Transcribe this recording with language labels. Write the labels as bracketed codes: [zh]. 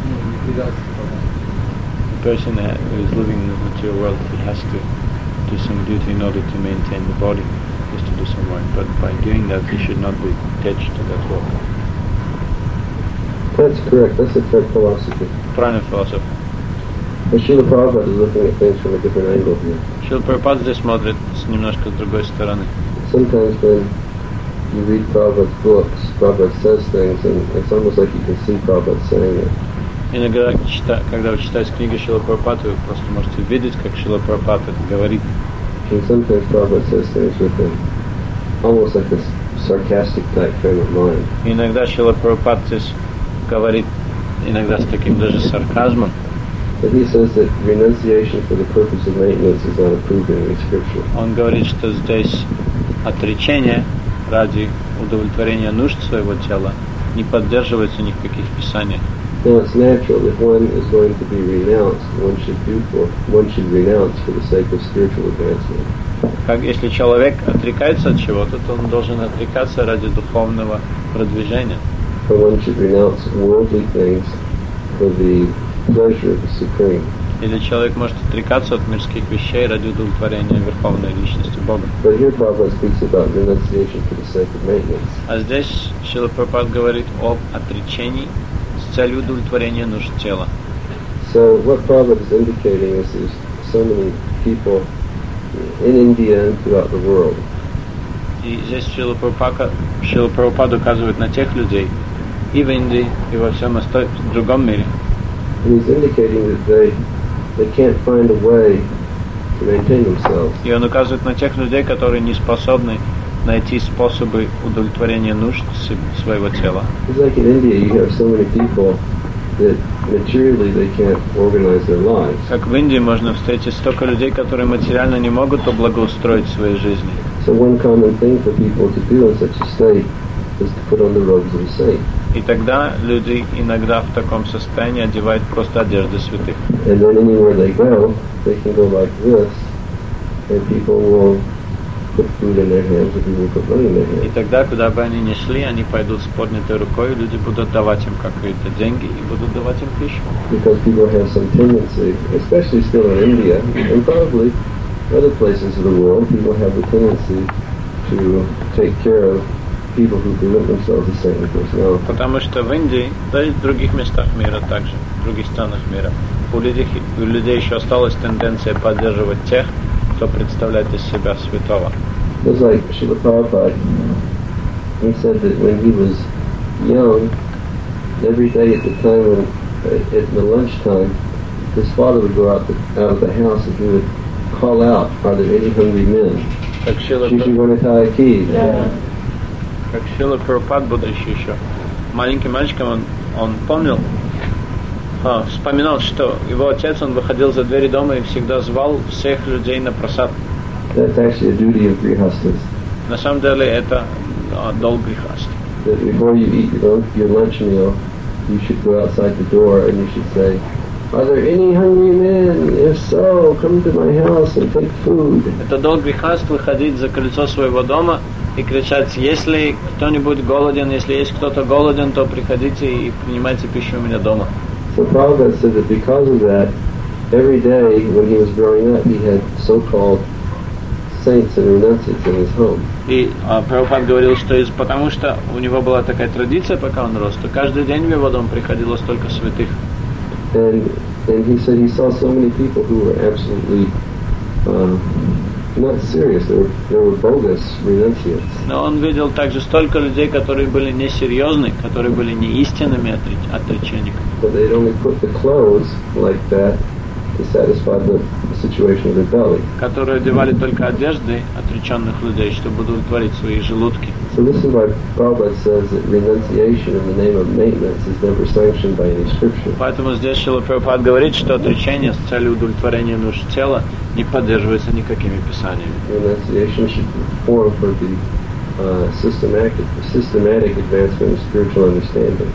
[en] person who is living in the material world, he has to do some duty in order to maintain the body, is to do some work. But by doing that, he should not be attached to that world. That's correct. That's a third philosophy. Prana philosophy. And Srila Prabhupada is looking at things from a different angle here. [ru] Srila Prabhupada здесь смотрит немножко с другой стороны. [en] Sometimes when you read Prabhupada's books, Prabhupada says things, and it's almost like you can see Prabhupada saying it. [ru] Иногда, когда вы читаете книги Шрила Прабхупады, вы просто можете видеть, как Шрила Прабхупада это говорит. [en] And sometimes Prabhupada says things with him, almost like a sarcastic type frame of mind. [ru] Иногда Шрила Прабхупада здесь говорит иногда с таким даже сарказмом. [en] But he says that renunciation for the purpose of maintenance is not approved in any scripture. [ru] Он говорит, что здесь отречение ради удовлетворения нужд своего тела не поддерживается ни в каких писаниях. [en] Now it's natural if one is going to be renounced, one should renounce for the sake of spiritual advancement. [ru] Как если человек отрекается от чего-то, то он должен отрекаться ради духовного продвижения. [en] For one should renounce worldly things for the pleasure of the supreme. [ru] Или человек может отрекаться от мирских вещей ради удовлетворения верховной личности Бога. [en] But here Prabhupada speaks about renunciation for the sake of maintenance. [ru] А здесь Шрила Прабхупада говорит об отречении с целью удовлетворения нужд тела. [en] So what Prabhupada is indicating is there's so many people in India and throughout the world. [ru] И здесь Шрила Прабхупада указывает на тех людей и в Индии, и во всем остальном другом мире. [en] And he's indicating that they can't find a way to maintain themselves. [ru] И он указывает на тех людей, которые не способны найти способы удовлетворения нужд своего тела. [en] It's like in India, you have so many people that materially they can't organize their lives. [ru] Как в Индии можно встретить столько людей, которые материально не могут облагоустроить свои жизни. [en] So one common thing for people to do in such a state is to put on the robes of a saint. [ru] И тогда люди иногда в таком состоянии одевают просто одежды святых. [en] And then anywhere they go, they can go like this, and people will put food in their hands and people will put money in their hands. [ru] И тогда, куда бы они ни шли, они пойдут с поднятой рукой, люди будут давать им какие-то деньги и будут давать им пищу. [en] Because people have some tendency, especially still in India, and probably other places of the world, people have the tendency to take care of people who commit themselves to saintly personality. [ru] Потому что в Индии, да и в других местах мира также, в других странах мира, у людей еще осталась тенденция поддерживать тех, кто представляет из себя святого. [en] It's like Srila Prabhupada, he said that when he was young, every day at the time, at the lunch time, his father would go out of the house and he would call out, are there any hungry men? [ru] Как Шрила Прабхупад, будучи еще маленьким мальчиком, он вспоминал, что его отец, он выходил за двери дома и всегда звал всех людей на просад. [en] That's actually a duty of grihasthas. [ru] На самом деле это долг грихаст. [en] That before you eat your lunch meal, you should go outside the door and you should say, are there any hungry men? If so, come to my house and take food. [ru] Это долг грихаст выходить за крыльцо своего дома и кричать, если кто-нибудь голоден, если есть кто-то голоден, то приходите и принимайте пищу у меня дома. [en] So Prabhupada said that because of that, every day when he was growing up, he had so-called saints and renunciates in his home. [ru] И Прабхупад говорил, что потому что у него была такая традиция, пока он рос, то каждый день в его дом приходило столько святых. [en] And he said he saw so many people who were absolutely not serious, they were bogus renunciates. [ru] Но он видел также столько людей, которые были несерьезны, которые были неистинными отречениками. [en] But they'd only put the clothes like that to satisfy the situation of their belly. [ru] Которые одевали только одежды отреченных людей, чтобы удовлетворить свои желудки. [en] So this is why Prabhupada says that renunciation in the name of maintenance is never sanctioned by any scripture. [ru] Поэтому здесь Шрила Прабхупада говорит, что отречение с целью удовлетворения нужд тела не поддерживается никакими писаниями. [en] Renunciation should be formed for the systematic advancement of spiritual understanding.